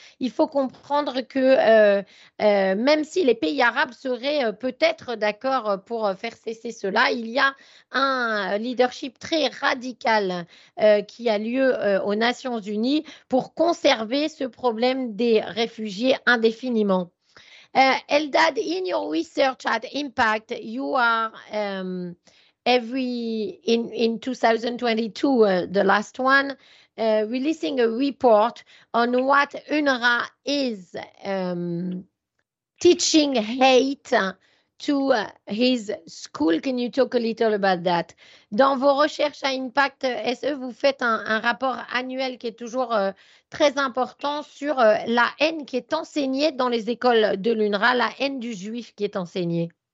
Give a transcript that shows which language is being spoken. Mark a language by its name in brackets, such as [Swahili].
[French] Il faut comprendre que même si les pays arabes seraient peut-être d'accord pour faire cesser cela, il y a un leadership très radical qui a lieu aux Nations Unies pour conserver ce problème des réfugiés indéfiniment. [English] Eldad, in your research at Impact, you are in 2022, the last one, releasing a report on what UNRWA is teaching hate to his school. Can you talk a little about that? [French] Dans vos recherches à Impact SE, vous faites un rapport annuel qui est toujours très important sur la haine qui est enseignée dans les écoles de l'UNRWA, la haine du juif qui est enseignée.